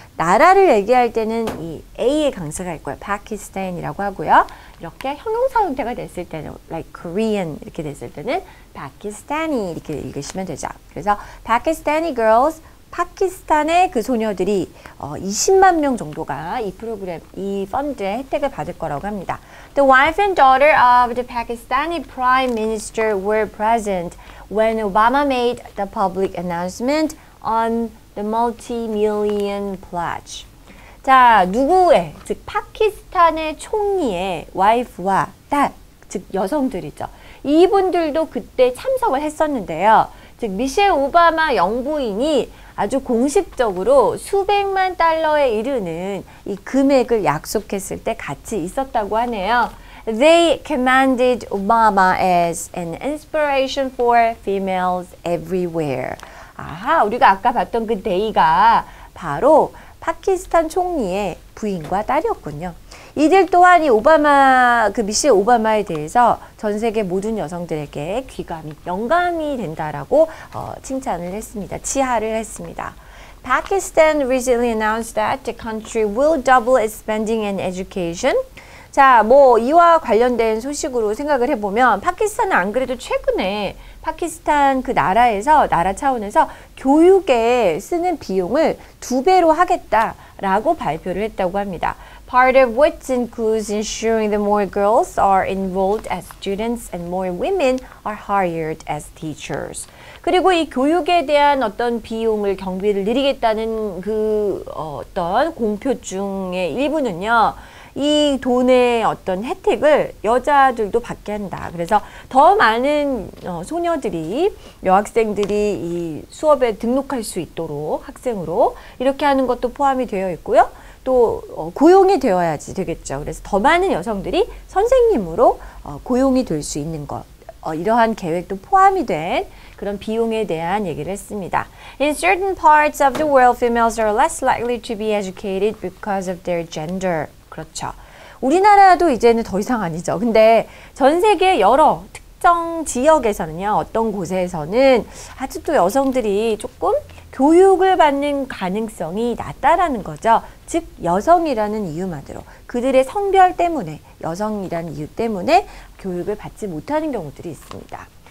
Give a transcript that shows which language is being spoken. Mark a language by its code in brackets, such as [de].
[ko] 나라를 얘기할 때는 이 A의 강세가 있고요. 파키스탄이라고 하고요. 이렇게 형용사 형태가 됐을 때는 [en] like Korean [ko] 이렇게 됐을 때는 파키스탄이 이렇게 읽으시면 되죠. 그래서 파키스탄이 girls, 파키스탄의 그 소녀들이 20만 명 정도가 이 프로그램, 이 펀드의 혜택을 받을 거라고 합니다. [en] The wife and daughter of the Pakistani Prime Minister were present when Obama made the public announcement on the multi-million pledge. [ko] 자, 누구의, 즉 파키스탄의 총리의 와이프와 딸, 즉 여성들이죠. 이분들도 그때 참석을 했었는데요. 즉 미셸 오바마 영부인이 아주 공식적으로 수백만 달러에 이르는 이 금액을 약속했을 때 같이 있었다고 하네요. [en] They commended Obama as an inspiration for females everywhere. [ko] 아하, 우리가 아까 봤던 그 데이가 바로 파키스탄 총리의 부인과 딸이었군요. 이들 또한 이 오바마, 그 미셸 오바마에 대해서 전 세계 모든 여성들에게 귀감이, 영감이 된다라고 칭찬을 했습니다. 치하를 했습니다. [en] Pakistan recently announced that the country will double its spending in education. [ko] 자, 뭐 이와 관련된 소식으로 생각을 해보면 파키스탄은 안 그래도 최근에 파키스탄 그 나라에서, 나라 차원에서 교육에 쓰는 비용을 두 배로 하겠다라고 발표를 했다고 합니다. [en] Part of which includes ensuring that more girls are enrolled as students and more women are hired as teachers. [ko] 그리고 이 교육에 대한 어떤 비용을 경비를 늘리겠다는 그 어떤 공표 중의 일부는요. 이 돈의 어떤 혜택을 여자들도 받게 한다. 그래서 더 많은 소녀들이, 여학생들이 이 수업에 등록할 수 있도록 학생으로 이렇게 하는 것도 포함이 되어 있고요. 또 고용이 되어야지 되겠죠. 그래서 더 많은 여성들이 선생님으로 고용이 될 수 있는 것. 이러한 계획도 포함이 된 그런 비용에 대한 얘기를 했습니다. [en] In certain parts of the world, females are less likely to be educated because of their gender. [ko] 그렇죠. 우리나라도 이제는 더 이상 아니죠. 근데 전 세계 여러 특정 지역에서는요, 어떤 곳에서는 아직 또 여성들이 조금 교육을 받는 가능성이 낮다라는 거죠. 즉 여성이라는 이유만으로 그들의 성별 때문에, 여성이라는 이유 때문에 교육을 받지 못하는 경우들이 있습니다.